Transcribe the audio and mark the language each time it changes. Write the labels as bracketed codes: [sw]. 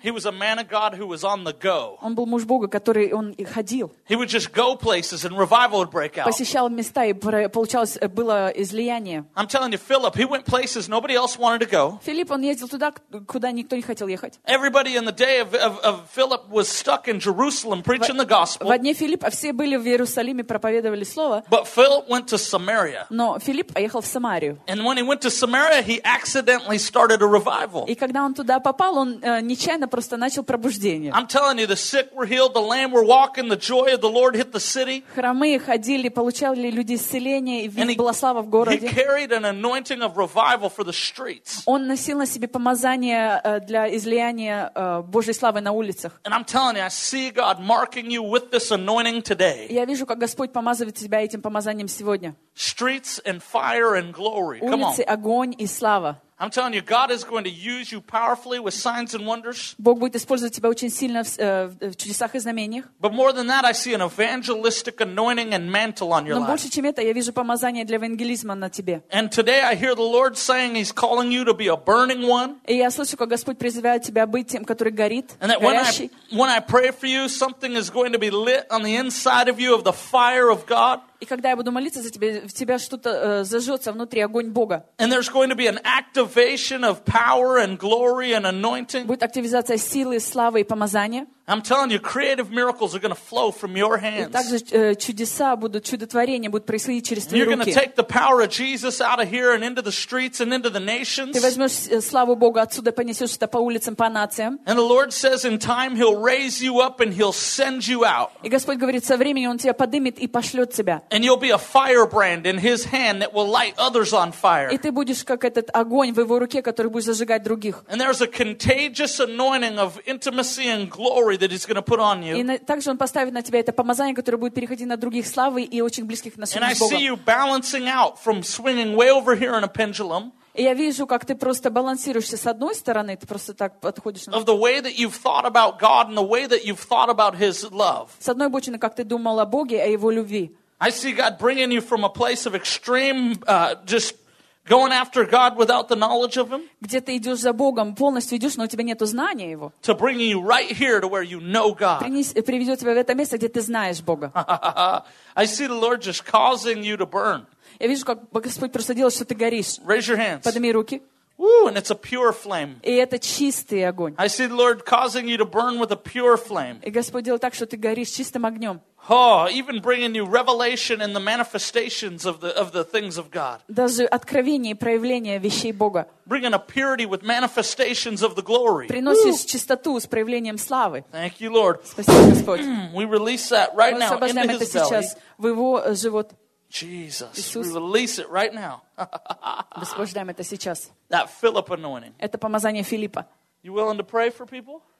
[en] he was a man of God who was on the go. [ru] Он был муж Бога, который он ходил. [en] He would just go places and revival would break out. [ru] Посещал места, и получалось, было излияние. [en] I'm telling you, Philip, he went places nobody else wanted to go. [ru] Филипп, он ездил туда, куда никто не хотел ехать. [en] Everybody in the day of Philip was stuck in Jerusalem preaching the gospel. [ru] В одни Филипп, а все были в Иерусалиме, проповедовали слово. [en] But Philip went to Samaria. [ru] Но Филипп поехал в Самарию. [en] And when he went to Samaria, he accidentally started a revival. [ru] И когда он туда попал, он нечаянно просто начал пробуждение. [en] I'm telling you, the sick were healed, the lame were walking, the joy of the Lord hit the city. [ru] Хромые ходили, получали люди исцеление, и была слава в городе. [en] He carried an anointing of revival for the streets. [ru] Он носил на себе помазание для излияния Божьей славы на улицах. [en] And I'm telling you, I see God marking you with this anointing today. [ru] Я вижу, как Господь помазывает тебя этим помазанием сегодня. [en] Streets and fire and glory. Come on. [ru] Улицы, огонь и слава. [en] I'm telling you, God is going to use you powerfully with signs and wonders. [ru] Бог будет использовать тебя очень сильно в чудесах и знамениях. [en] But more than that, I see an evangelistic anointing and mantle on your life. [ru] Но больше чем это, я вижу помазание для евангелизма на тебе. [en] And today I hear the Lord saying He's calling you to be a burning one. [ru] И я слышу, как Господь призывает тебя быть тем, который горит, горящий. [en] When I pray for you, something is going to be lit on the inside of you of the fire of God. [ru] И когда я буду молиться за тебя, в тебя что-то зажжется внутри, огонь Бога. [en] And there's going to be an activation of power and glory and anointing. [ru] Будет активизация силы, славы и помазания. [en] I'm telling you, creative miracles are going to flow from your hands. [ru] И также чудеса будут, чудотворения будут происходить через твои руки. [en] You're going to take the power of Jesus out of here and into the streets and into the nations. [ru] Ты возьмешь славу Бога отсюда, понесешь это по улицам, по нациям. [en] And the Lord says, in time He'll raise you up and He'll send you out. [ru] И Господь говорит, со временем Он тебя поднимет и пошлет тебя. [en] And you'll be a firebrand in His hand that will light others on fire. [ru] И ты будешь как этот огонь в Его руке, который будет зажигать других. [en] And there's a contagious anointing of intimacy and glory that he's going to put on you. [ru] И также он поставит на тебя это помазание, которое будет переходить на других славы и очень близких на Бога. [en] And I see you balancing out from swinging way over here in a pendulum. [ru] И я вижу, как ты просто балансируешься с одной стороны, ты просто так подходишь. [en] Of the way that you've thought about God and the way that you've thought about His love. [ru] С одной бочины, как ты думал о Боге, о Его любви. [en] I see God bringing you from a place of extreme, just going after God without the knowledge of Him. [ru] Где ты идешь за Богом, полностью идешь, но у тебя нету знания Его. [en] To bring you right here to where you know God. [ru] Приведет тебя в это место, где ты знаешь Бога. [en] I see the Lord just causing you to burn. [ru] Я вижу, как Господь просто делает, что ты горишь. [en] Raise your hands. [ru] Подними руки. [en] Woo, and it's a pure flame. [ru] И это чистый огонь. [en] I see the Lord causing you to burn with a pure flame. [ru] И Господь делает так, что ты горишь чистым огнем. [en] Oh, even bringing you revelation and the manifestations of the things of God. [ru] Даже откровение и проявление вещей Бога. [en] Bringing a purity with manifestations of the glory. [ru] Приносишь Woo! Чистоту с проявлением славы. [en] Thank you, Lord. [ru] Спасибо, Господь. [en] We release that right [ru] Мы [en] now into His belly. [ru] Сейчас в его живот. [en] Jesus, Иисус. We release it right now. [ru] Высвобождаем это сейчас. [en] That Philip anointing. [ru] Это помазание Филиппа. [en] You willing to pray for people?